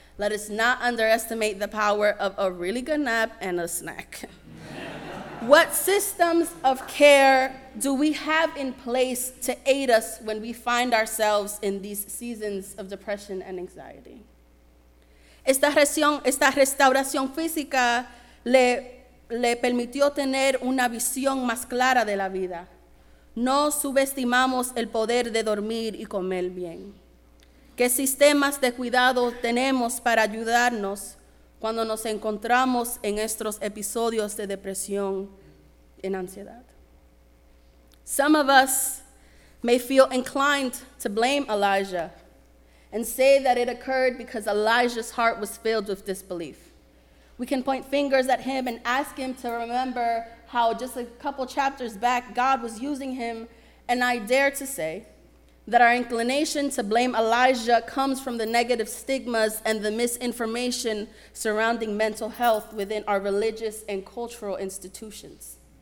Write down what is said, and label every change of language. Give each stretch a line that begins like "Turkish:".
English: Let us not underestimate the power of a really good nap and a snack. What systems of care do we have in place to aid us when we find ourselves in these seasons of depression and anxiety?
Spanish: Esta restauración física le permitió tener una visión más clara de la vida. No subestimamos el poder de dormir y comer bien. ¿Qué sistemas de cuidado tenemos para ayudarnos cuando nos encontramos en estos episodios de depresión y ansiedad?
English: Some of us may feel inclined to blame Elijah and say that it occurred because Elijah's heart was filled with disbelief. We can point fingers at him and ask him to remember how just a couple chapters back God was using him, and I dare to say that our inclination to blame Elijah comes from the negative stigmas and the misinformation surrounding mental health within our religious and cultural institutions.